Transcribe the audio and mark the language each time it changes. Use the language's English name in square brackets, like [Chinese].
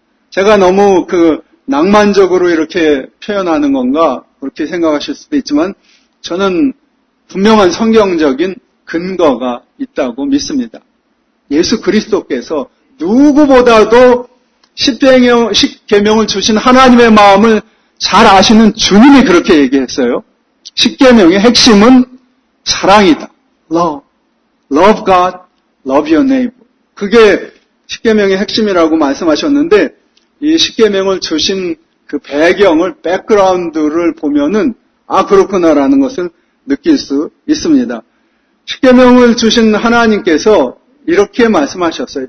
[Korean] 제가 너무 그 낭만적으로 이렇게 표현하는 건가 그렇게 생각하실 수도 있지만 저는 분명한 성경적인 근거가 있다고 믿습니다. 예수 그리스도께서 누구보다도 십계명을 주신 하나님의 마음을 잘 아시는 주님이 그렇게 얘기했어요. 십계명의 핵심은 사랑이다. [English] Love. Love God, love your neighbor. [Korean] 그게 십계명의 핵심이라고 말씀하셨는데 이 십계명을 주신 그 배경을, 백그라운드를 보면은 아 그렇구나라는 것을 느낄 수 있습니다. 십계명을 주신 하나님께서 이렇게 말씀하셨어요.